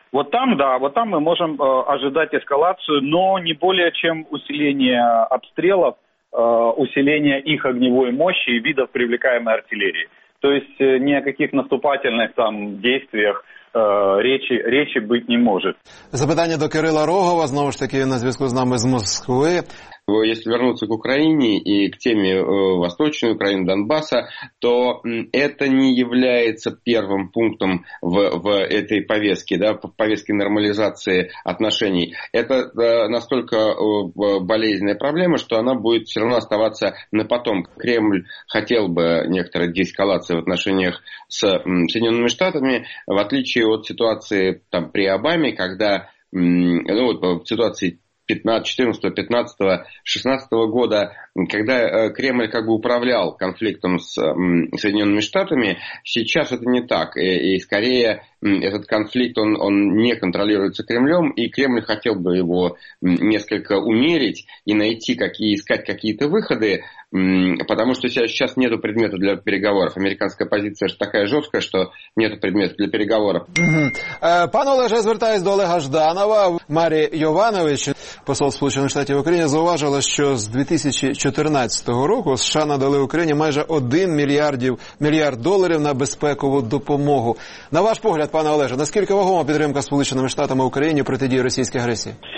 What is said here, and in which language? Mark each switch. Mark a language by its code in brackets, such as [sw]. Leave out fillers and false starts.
[ru] Вот там, да, вот там мы можем ожидать эскалацию, но не более чем усиление обстрелов, усиление их огневой мощи и видов привлекаемой артиллерии. То есть ни о каких наступательных там действиях [uk] речі бути не може. Запитання до Кирила Рогова, знову ж таки, на зв'язку з нами з Москви. [ru] Если вернуться к Украине и к теме Восточной Украины, Донбасса, то это не является первым пунктом в этой повестке, да, в повестке нормализации отношений. Это настолько болезненная проблема, что она будет все равно оставаться на потом. Кремль хотел бы некоторой деэскалации в отношениях с Соединенными Штатами, в отличие от ситуации там, при Обаме, когда в ситуации 14-15-16 года, когда Кремль как бы управлял конфликтом с Соединенными Штатами, сейчас это не так. И скорее этот конфликт, он не контролируется Кремлем, и Кремль хотел бы его несколько умерить и найти искать какие-то выходы, потому что сейчас нету предмета для переговоров. Американская позиция ж такая жесткая, что нету предмета для переговоров. [uk] Пан Олеже, звертаюсь до Олега Жданова. Марі Йованович, посол Сполучених Штатів України, зауважила, що з 2014 року США надали Україні майже 1 мільярд доларів на безпекову допомогу. На ваш погляд, пане Олеже, наскільки вагома підтримка Сполученими Штатами України протидії російській агресії?